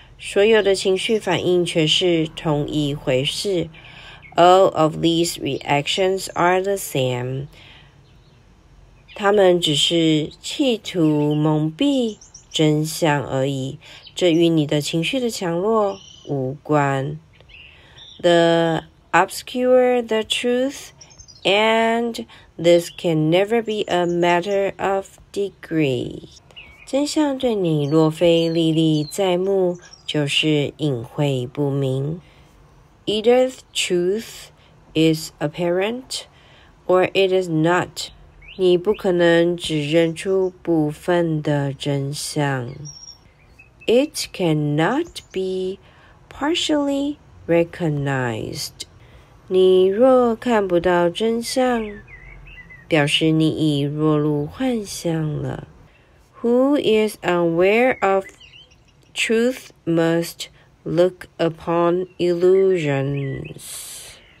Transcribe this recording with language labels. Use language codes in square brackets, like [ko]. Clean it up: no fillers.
[zh] 所有的情绪反应却是同一回事。 [en] All of these reactions are the same. [zh] 他们只是企图蒙蔽真相而已。这与你的情绪的强弱无关。 [en] Obscure the truth, and this can never be a matter of degree. [zh] 真相对你若非历历在目，就是隐晦不明。 [en] Either the truth is apparent, or it is not. [zh] 你不可能只认出部分的真相。 [en] It cannot be partially recognized. [zh] 你若看不到真相，表示你已落入幻想了。 [en] Who is unaware of truth must look upon illusions.